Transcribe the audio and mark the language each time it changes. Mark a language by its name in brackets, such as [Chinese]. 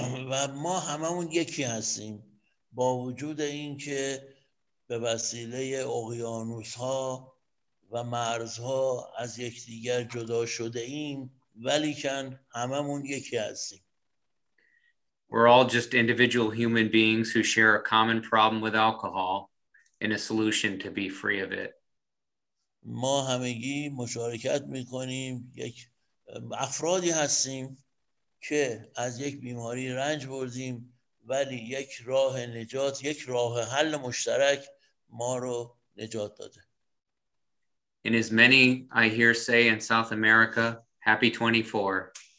[Persian] و ما هممون یکی هستیم با وجود اینکه به وسیله اقیانوس ها و مرز ها از یکدیگر جدا شده ایم، ولیکن هممون یکی هستیم. [English] We're all just individual human beings who share a common problem with alcohol and a solution to be free of it. [Persian] ما همگی مشارکت میکنیم، یک افرادی هستیم که از یک بیماری رنج بردیم، ولی یک راه نجات، یک راه حل مشترک ما رو نجات داده. [English] And as many I hear say in South America, happy 24.